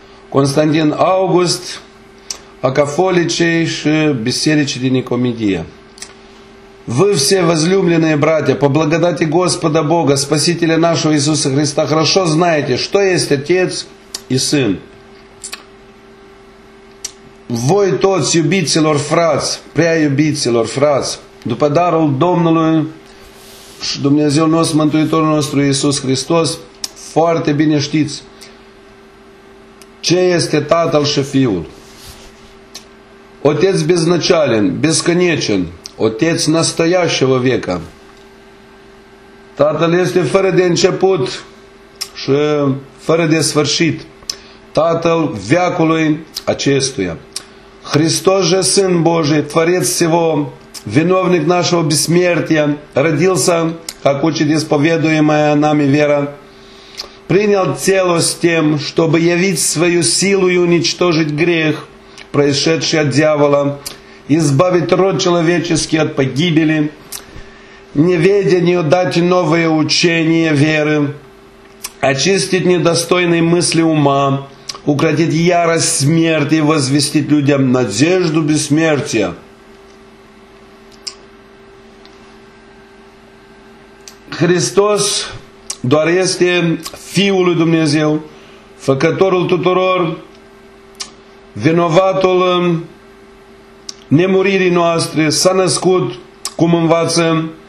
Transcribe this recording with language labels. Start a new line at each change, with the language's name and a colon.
Romanian: Константин Август, о католичей и бисеричи ди Никомедия.
Russian: Вы все возлюбленные братья, по благодати Господа Бога, Спасителя нашего Иисуса Христа, хорошо знаете, что есть Отец и Сын.
Romanian: Voi toți, iubiților frați, prea iubiților frați, după darul Domnului și Dumnezeu nostru, Mântuitorul nostru Iisus Hristos, foarte bine știți ce este Tatăl și Fiul.
Russian: Отец безначален, бесконечен, Отец настоящего века.
Romanian: Tatăl este fără de început și fără de sfârșit. Tatăl veacului acestuia.
Russian: Христос же Сын Божий, Творец всего, виновник нашего бессмертия, родился, как учит исповедуемая нами вера, принял тело с тем, чтобы явить свою силу и уничтожить грех, происшедший от дьявола, избавить род человеческий от погибели, неведению дать новое учение веры, очистить недостойные мысли ума, укротить ярость смерти и возвестить людям надежду бессмертия.
Romanian: Христос doar este Fiul lui Dumnezeu, făcătorul tuturor, vinovatul nemuririi noastre, s-a născut, cum învață